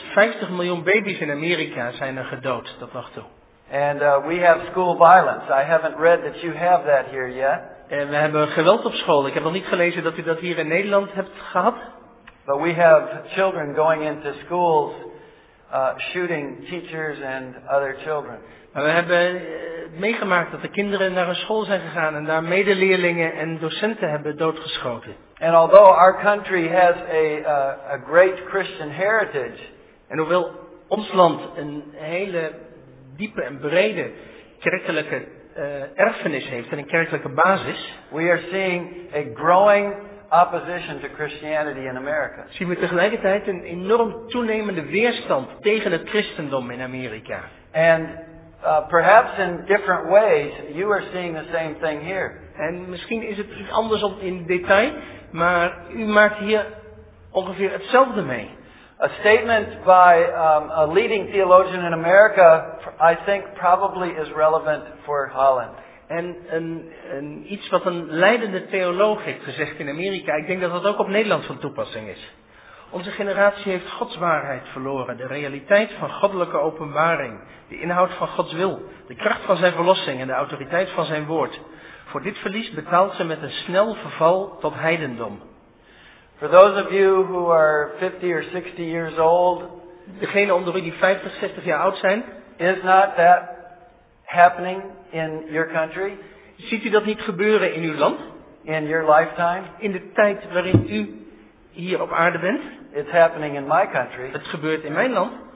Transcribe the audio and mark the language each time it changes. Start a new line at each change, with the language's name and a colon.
Dutch: 50 miljoen baby's in Amerika zijn er gedood tot nog toe.
English: And we have school violence. I haven't read that you have that here yet.
Dutch: En we hebben geweld op school. Ik heb nog niet gelezen dat u dat hier in Nederland hebt gehad.
English: But we have children going into schools shooting teachers and other children.
Dutch: Maar we hebben meegemaakt dat de kinderen naar een school zijn gegaan en daar medeleerlingen en docenten hebben doodgeschoten.
English: And although our country has a great Christian heritage,
Dutch: en hoewel ons land een hele diepe en brede kerkelijke erfenis heeft en een kerkelijke basis,
English: we are seeing a growing opposition to Christianity in America.
Dutch: Zien we tegelijkertijd een enorm toenemende weerstand tegen het christendom in Amerika.
English: And perhaps in different ways, you are seeing the same thing here.
Dutch: En misschien is het iets anders op in detail, maar u maakt hier ongeveer hetzelfde mee.
English: A statement by a leading theologian in America, I think, probably is relevant for Holland.
Dutch: En een iets wat een leidende theoloog heeft gezegd in Amerika, ik denk dat dat ook op Nederland van toepassing is. Onze generatie heeft Gods waarheid verloren, de realiteit van goddelijke openbaring, de inhoud van Gods wil, de kracht van zijn verlossing en de autoriteit van zijn woord. Voor dit verlies betaalt ze met een snel verval tot heidendom.
English: For those of you who are 50 or 60 years old,
Dutch: degene onder u die 50, 60 jaar oud zijn,
English: is not that happening in your country?
Dutch: Ziet u dat niet gebeuren in uw land?
English: In your lifetime?
Dutch: In de tijd waarin u hier op aarde bent.
English: It's happening in my country.
Dutch: Het gebeurt in mijn land.